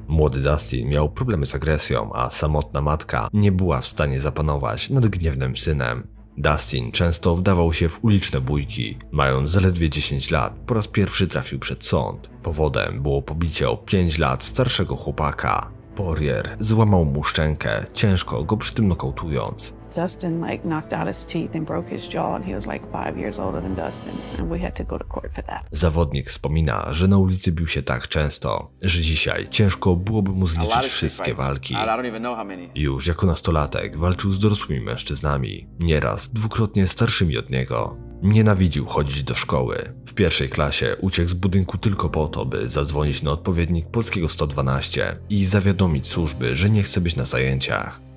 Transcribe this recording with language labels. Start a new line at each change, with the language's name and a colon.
Polish: Młody Dustin miał problemy z agresją, a samotna matka nie była w stanie zapanować nad gniewnym synem. Dustin często wdawał się w uliczne bójki. Mając zaledwie 10 lat, po raz pierwszy trafił przed sąd. Powodem było pobicie o 5 lat starszego chłopaka. Poirier złamał mu szczękę, ciężko go przy tym nokautując.
English: Dustin like knocked out his teeth and broke his jaw and he was like 5 years older than Dustin and we had to go to court for that.
Polish: Zawodnik wspomina, że na ulicy bił się tak często, że dzisiaj ciężko byłoby mu zliczyć wszystkie walki. Już jako nastolatek walczył z dorosłymi mężczyznami, nieraz dwukrotnie starszymi od niego. Nienawidził chodzić do szkoły. W pierwszej klasie uciekł z budynku tylko po to, by zadzwonić na odpowiednik polskiego 112 i zawiadomić służby, że nie chce być na zajęciach.